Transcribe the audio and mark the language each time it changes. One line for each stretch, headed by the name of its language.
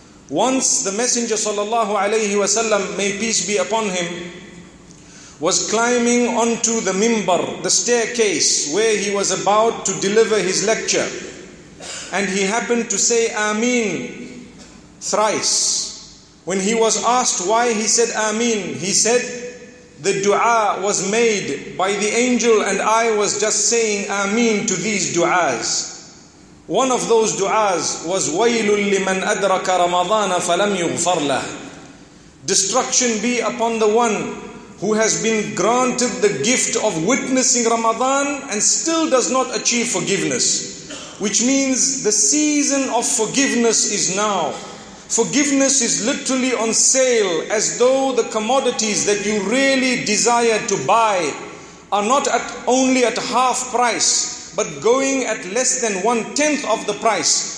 English: Once the Messenger sallallahu alayhi wa sallam, may peace be upon him, was climbing onto the mimbar, the staircase, where he was about to deliver his lecture. And he happened to say Ameen thrice. When he was asked why he said Ameen, he said, the dua was made by the angel and I was just saying Ameen to these duas.
Arabic: One of those du'as was وَيْلٌ لِّمَنْ أَدْرَكَ رَمَضَانَ فَلَمْ يُغْفَرْ لَهُ.
English: Destruction be upon the one who has been granted the gift of witnessing Ramadan and still does not achieve forgiveness. Which means the season of forgiveness is now. Forgiveness is literally on sale, as though the commodities that you really desire to buy are not at only at half price, but going at less than one-tenth of the price.